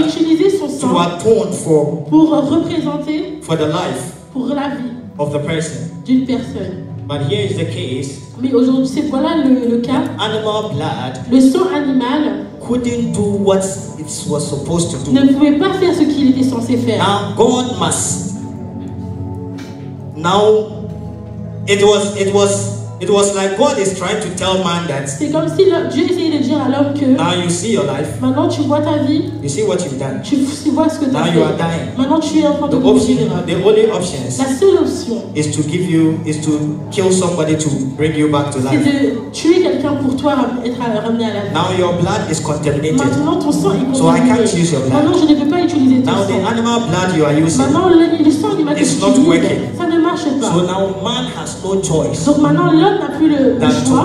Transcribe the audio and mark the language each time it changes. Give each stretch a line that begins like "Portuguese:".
French: et utiliser son sang
English: to atone for,
French: pour représenter
English: for the life
French: pour la vie
English: of the person.
French: D'une personne.
English: But here is the case.
French: Mais aujourd'hui, c'est voilà le cas.
English: The animal blood,
French: le sang animal,
English: couldn't do what it was supposed to do.
French: Ne pouvait pas faire ce qu'il était censé faire.
English: Now God must. Now, it was like God is trying to tell man that.
French: C'est comme si Dieu essayait de dire à l'homme que.
English: Now you see your life.
French: Maintenant tu vois ta vie.
English: You see what you've done.
French: Tu vois ce que tu as fait.
English: Now you are dying.
French: Maintenant tu es en train de mourir.
English: The only options.
French: La seule option.
English: Is to give you is to kill somebody to bring you back to life.
French: C'est de tuer quelqu'un pour toi être ramené à la vie.
English: Now your blood is contaminated.
French: Maintenant ton sang est contaminé.
English: So I can't use your blood.
French: Maintenant je ne peux pas utiliser ton sang.
English: Now the animal blood you are using.
French: Maintenant le sang animal.
English: It's not working.
French: Ça ne marche pas.
English: So now man has no choice.
French: Donc maintenant l'homme n'a plus le
English: than
French: choix.